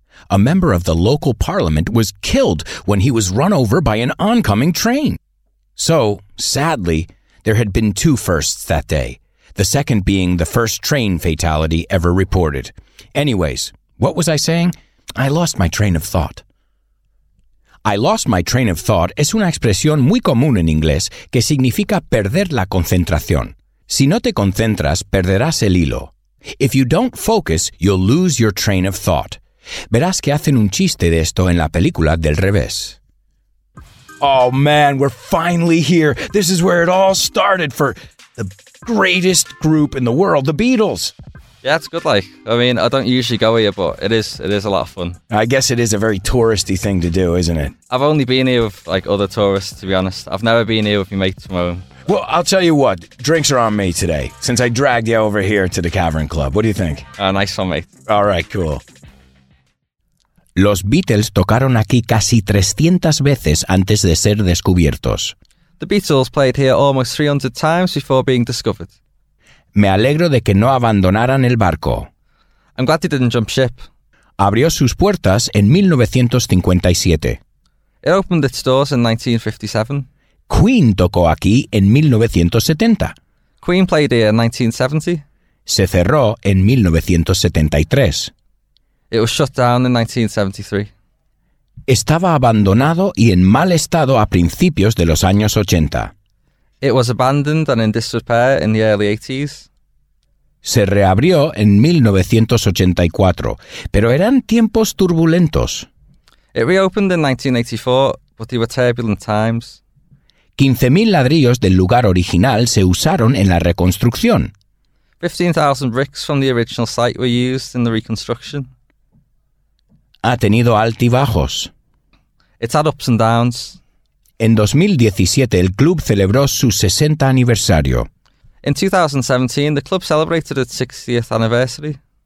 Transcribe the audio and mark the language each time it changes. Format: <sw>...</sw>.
<en>A member of the local parliament was killed when he was run over by an oncoming train. So, sadly, there had been two firsts that day, the second being the first train fatality ever reported. Anyways, what was I saying? I lost my train of thought. I lost my train of thought</en> <es>es una expresión muy común en inglés que significa perder la concentración. Si no te concentras, perderás el hilo.</es> <en>If you don't focus, you'll lose your train of thought.</en> <es>Verás que hacen un chiste de esto en la película Del Revés.</es> <en>Oh man, we're finally here. This is where it all started for the greatest group in the world, the Beatles. Yeah, it's good, like, I mean, I don't usually go here, but it is a lot of fun. I guess it is a very touristy thing to do, isn't it? I've only been here with, like, other tourists, to be honest. I've never been here with my mates from home. Well, I'll tell you what, drinks are on me today, since I dragged you over here to the Cavern Club. What do you think? Nice one, mate. All right, cool.</en> <es>Los Beatles tocaron aquí casi 300 veces antes de ser descubiertos.</es> <en>The Beatles played here almost 300 times before being discovered.</en> <es>Me alegro de que no abandonaran el barco.</es> <en>I'm glad they didn't jump ship.</en> <es>Abrió sus puertas en 1957.</es> <en>It opened its doors in 1957.</en> <es>Queen tocó aquí en 1970.</es> <en>Queen played here in 1970.</en> <es>Se cerró en 1973.</es> <en>It was shut down in 1973.</en> <es>Estaba abandonado y en mal estado a principios de los años 80.</es> <en>It was abandoned and in disrepair in the early 80s.</en> <es>Se reabrió en 1984, pero eran tiempos turbulentos.</es> <en>It reopened in 1984, but they were turbulent times.</en> <es>15,000 ladrillos del lugar original se usaron en la reconstrucción.</es> <en>15,000 bricks from the original site were used in the reconstruction.</en> <es>Ha tenido altibajos.</es> <en>It's had ups and downs.</en> <es>En 2017, el club celebró su 60 aniversario.</es> <en>In 2017, the club celebrated its 60th anniversary.</en>